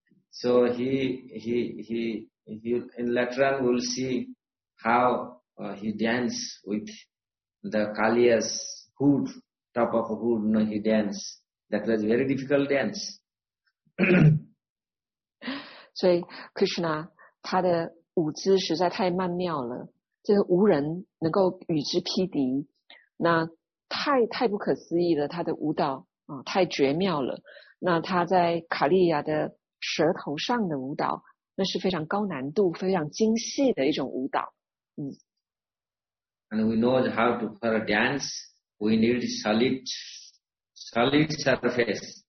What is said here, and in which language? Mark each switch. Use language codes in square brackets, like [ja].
[en] So he later on we'll see how he dance with the Kaliya's hood, top of a hood, no, he dance. That was very difficult dance. [zh] 所以 Krishna 他的舞姿实在太曼妙了，这个无人能够与之匹敌，那太不可思议了，他的舞蹈太绝妙了。那他在卡利亚的舌头上的舞蹈，那是非常高难度、非常精细的一种舞蹈。 [en] And we know how to for a dance, we need solid surface.